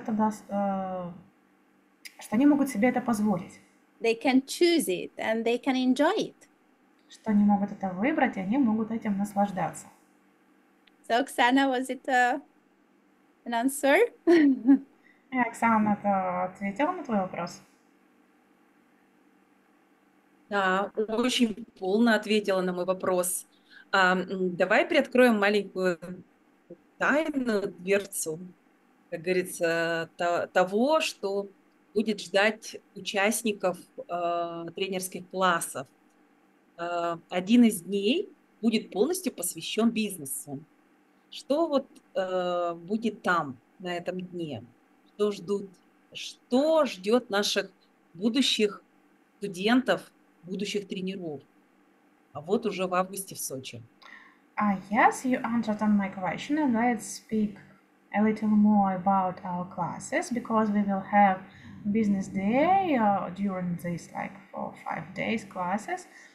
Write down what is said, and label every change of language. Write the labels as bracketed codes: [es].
[ru] Что они могут себе это позволить. [en] They can choose it and they can enjoy it. [ru] Что они могут это выбрать, и они могут этим наслаждаться. [en] So, Оксана, was it an answer? [ru] И Оксана, это ответила на твой вопрос? Да, очень полно ответила на мой вопрос. Давай приоткроем маленькую тайну, дверцу, как говорится, того, что будет ждать участников тренерских классов. Один из дней будет полностью посвящен бизнесу. Что вот будет там, на этом дне? Что ждет наших будущих студентов, будущих тренеров? А вот уже в августе в Сочи. [en] Yes, you answered on my question, and let's speak a little more about our classes, because we will have business day during these like 4 or 5 days classes.